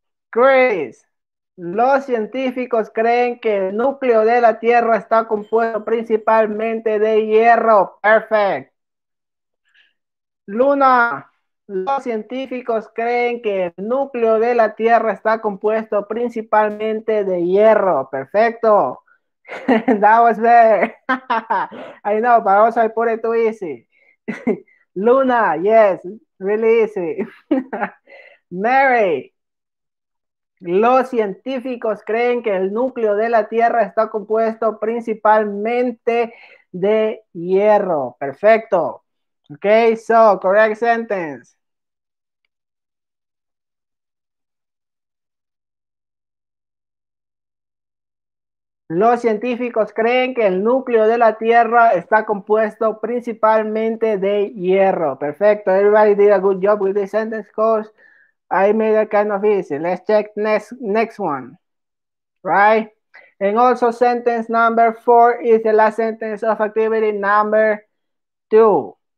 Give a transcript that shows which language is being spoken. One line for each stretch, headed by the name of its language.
Spanish: Chris, los científicos creen que el núcleo de la Tierra está compuesto principalmente de hierro. Perfect. Luna, los científicos creen que el núcleo de la Tierra está compuesto principalmente de hierro. Perfecto.
English: That was there. I know, but also I put it too easy. Luna, yes. Really easy.
Spanish: Mary, los científicos creen que el núcleo de la Tierra está compuesto principalmente de hierro. Perfecto.
English: Okay, so correct sentence.
Spanish: Los científicos creen que el núcleo de la Tierra está compuesto principalmente de hierro. Perfecto.
English: Everybody did a good job with this sentence because I made it kind of easy. Let's check next one. Right? And also sentence number four is the last sentence of activity number two.